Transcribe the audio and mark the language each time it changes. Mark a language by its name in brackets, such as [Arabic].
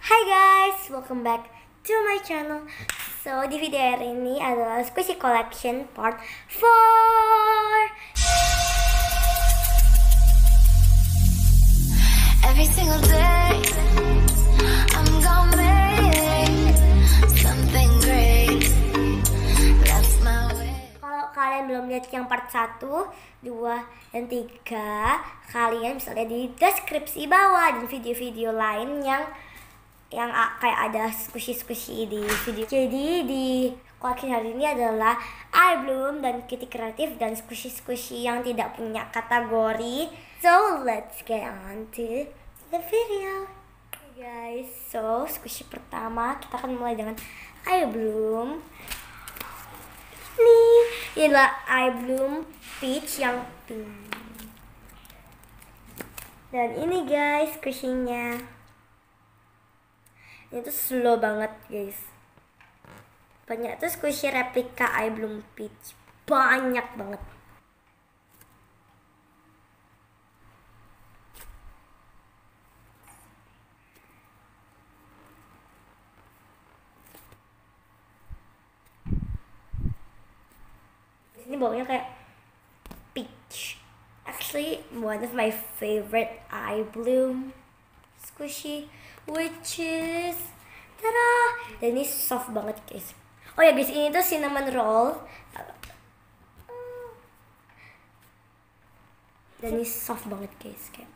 [English] guys, welcome back to my channel. [Indonesian] So di video hari ini adalah Squishy Collection Part 4. [English] Every single day I'm gonna make something great. That's my way. [Indonesian] Kalau kalian belum lihat yang part 1, 2, dan 3, kalian bisa lihat di deskripsi bawah dan video-video lain yang kayak ada squishy-squishy di video. Jadi di collection hari ini adalah I Bloom dan Kitty Kreatif dan squishy-squishy yang tidak punya kategori. [English] So let's get on to the video. [Indonesian] Hey guys, so squishy pertama kita akan mulai dengan I Bloom. Ini adalah I Bloom Peach yang pink. Dan ini guys squishy-nya. Ini tuh slow banget guys. Banyak tuh squishy replika I Bloom Peach. Banyak banget. Ini baunya kayak peach. [English] Actually one of my favorite I Bloom squishy, which is tada. [Indonesian] Dan ini soft banget guys. Oh ya guys, ini tuh cinnamon roll dan ini soft banget guys.